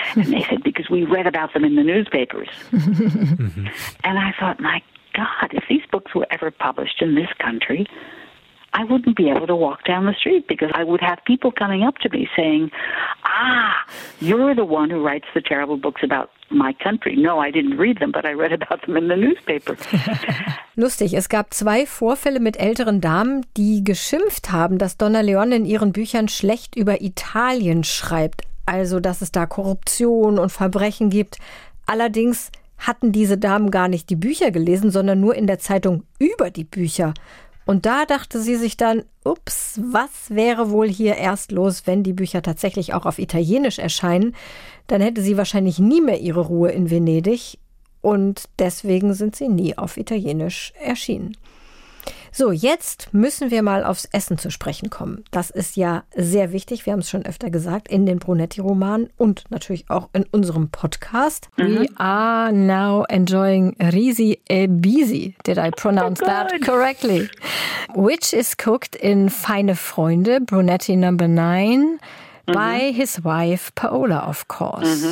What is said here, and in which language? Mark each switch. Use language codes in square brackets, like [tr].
[en] And they said, because we read about them in the newspapers. And I thought, my God, if these books were ever published in this country, I wouldn't be able to walk down the street because I would have people coming up to me saying, ah, you're the one who writes the terrible books about my country. No, I didn't read them, but I read about them in the newspaper. [de] Lustig, es gab zwei Vorfälle mit älteren Damen, die geschimpft haben, dass Donna Leon in ihren Büchern schlecht über Italien schreibt. Also, dass es da Korruption und Verbrechen gibt. Allerdings hatten diese Damen gar nicht die Bücher gelesen, sondern nur in der Zeitung über die Bücher. Und da dachte sie sich dann, ups, was wäre wohl hier erst los, wenn die Bücher tatsächlich auch auf Italienisch erscheinen? Dann hätte sie wahrscheinlich nie mehr ihre Ruhe in Venedig. Und deswegen sind sie nie auf Italienisch erschienen. So, jetzt müssen wir mal aufs Essen zu sprechen kommen. Das ist ja sehr wichtig, wir haben es schon öfter gesagt, in den Brunetti-Romanen und natürlich auch in unserem Podcast. [en] Mhm. We are now enjoying Risi e Bisi. Did I pronounce that correctly? Which is cooked in Feine Freunde, Brunetti Number 9, mhm, by his wife Paola, of course.